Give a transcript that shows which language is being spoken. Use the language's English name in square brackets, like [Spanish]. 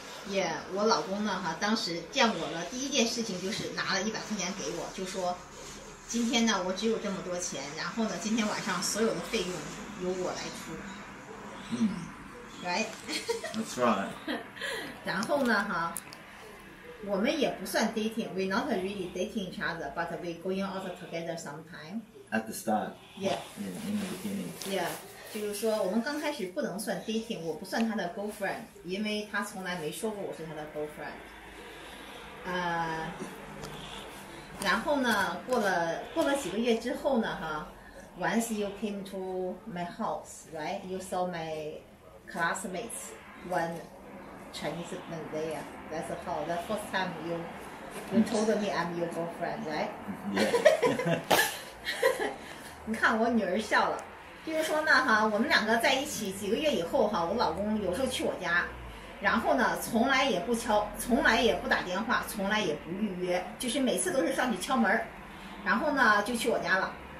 [Chinese] Yeah, 我老公呢，当时见我了，第一件事情就是拿了100块钱给我，就说，今天呢，我只有这么多钱，然后呢，今天晚上所有的费用由我来出。 Hmm. [English] Right? That's right. [Chinese] 然后呢，我们也不算 [English] dating, we're not really dating each other, but we're going out together sometime. At the start. Yeah. In the beginning. [Chinese] Yeah. 就是说我们刚开始不能算 dating, 我不算他的 girlfriend, 因为他从来没说过我是他的 girlfriend. 然后呢过了几个月之后呢哈 [English] once you came to my house, right? You saw my classmates when Chinese men there. That's how the first time you told me I'm your girlfriend, right? Yeah. [Chinese] 你看我女儿笑了，就是说呢哈，我们两个在一起几个月以后哈，我老公有时候去我家，然后呢从来也不敲，从来也不打电话，从来也不预约，就是每次都是上去敲门，然后呢就去我家了。